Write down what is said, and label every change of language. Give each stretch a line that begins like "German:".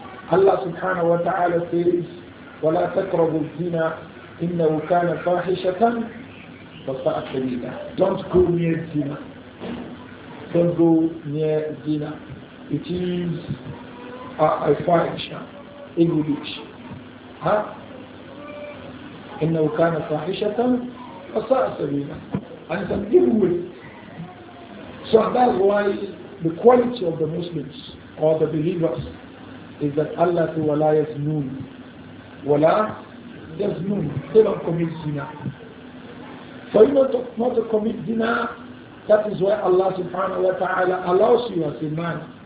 English: Allah subhanahu wa ta'ala says,
Arabic: وَلَا تَقْرَبُوا الزِّنَا إِنَّهُ كَانَ فَاحِشَةً وَسَاءَ سَبِيلًا.
English: Don't go near zina. Don't go near zina. it is a fahisha, evil deed. Huh?
Arabic: إنه كان فاحشة فساء سبيلا.
English: And it's an evil way. So that's why the quality of the Muslims or the believers is that Allah to wala yaznun. Wala yaznun. They don't commit zina. For you not to commit zina, that is why Allah subhanahu wa ta'ala allows you as a man.